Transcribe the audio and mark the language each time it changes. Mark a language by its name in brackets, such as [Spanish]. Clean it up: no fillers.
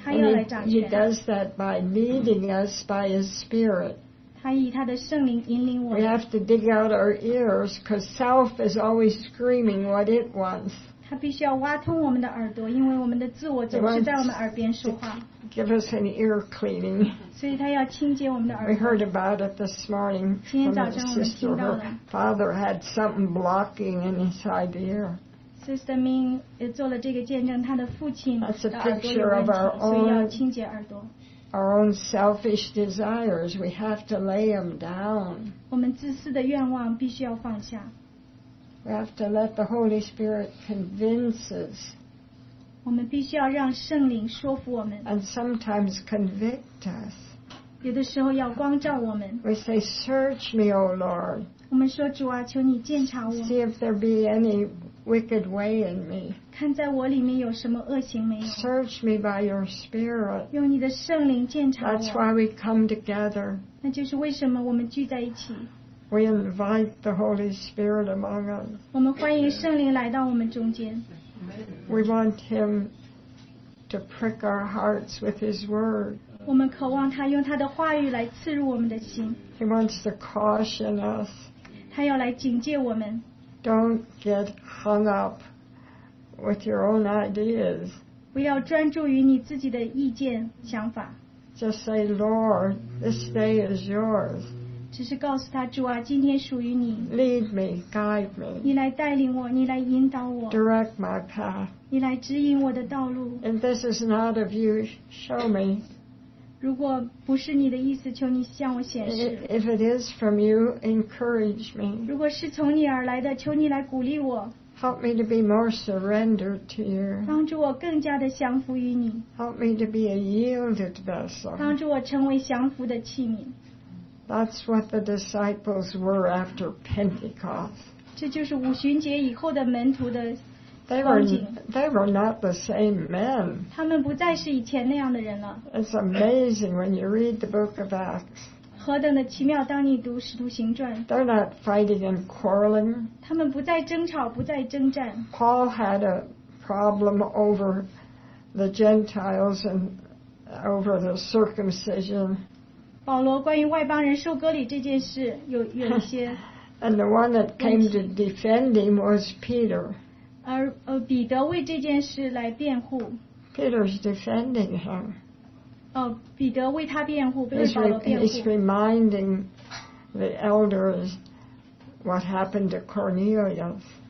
[English] he does that by leading us by his spirit. We have to dig out our ears because self is always screaming what it wants. [Chinese] 他必须要挖通我们的耳朵，因为我们的自我总是在我们耳边说话。 [English] Give us an ear cleaning. [Chinese] 所以他要清洁我们的耳朵。 [English] We heard about it this morning. [Chinese] 今天早上我们听到了。 [English] Her father had something blocking inside the ear. [Chinese] Sister Ming 做了这个见证，他的父亲的耳朵有问题。 [English] That's a picture of our own. [Chinese] 所以要清洁耳朵。 [English] Our own selfish desires, we have to lay them down. [Chinese] 我们自私的愿望必须要放下。 [English] We have to let the Holy Spirit convince us. [Chinese] 我们必须要让圣灵说服我们。 [English] And sometimes convict us. [Chinese] 有的时候要光照我们。 [English] We say, "Search me, O Lord." [Chinese] 我们说主啊，求你鉴察我。 [English] See if there be any wicked way in me. [Chinese] 看在我里面有什么恶行没有。 [English] Search me by your Spirit. [Chinese] 用你的圣灵鉴察我。 [English] That's why we come together. [Chinese] 那就是为什么我们聚在一起。 [English] We invite the Holy Spirit among us. [Chinese] 我们欢迎圣灵来到我们中间。 [English] We want Him to prick our hearts with His Word. [Chinese] 我们渴望他用他的话语来刺入我们的心。 [English] He wants to caution us. [Chinese] 他要来警戒我们。 [English] Don't get hung up with your own ideas. [Chinese] 不要专注于你自己的意见想法。 [English] Just say, Lord, this day is yours. [Chinese] 只是告诉他主啊，今天属于你。 [English] Lead me, guide me. [Chinese] 你来带领我，你来引导我。 [English] Direct my path. [Chinese] 你来指引我的道路。 [English] And this is not of you, show me. [Chinese] 如果不是你的意思，求你向我显示。 [English] If it is from you, encourage me. [Chinese] 如果是从你而来的，求你来鼓励我。 [English] Help me to be more surrendered to you. [Chinese] 帮助我更加的降服于你。 [English] Help me to be a yielded vessel. [Chinese] 帮助我成为降服的器皿。 [English] That's what the disciples were after Pentecost. [Chinese] 这就是五旬节以后的门徒的光景。 [English] They were not the same men. [Chinese] 他们不再是以前那样的人了。 [English] It's amazing when you read the book of Acts. [Chinese] 何等的奇妙！当你读《使徒行传》。 [English] They're not fighting and quarreling. [Chinese] 他们不再争吵，不再征战。 [English] Paul had a problem over the Gentiles and over the circumcision. [Chinese] 保罗关于外邦人受割礼这件事有一些 [English] And the one that came to defend him was Peter. [Chinese] 而彼得为这件事来辩护。 [English] Peter's defending him. [Chinese] 彼得为他辩护，为保罗辩护。 [English] He's reminding the elders what happened to Cornelius.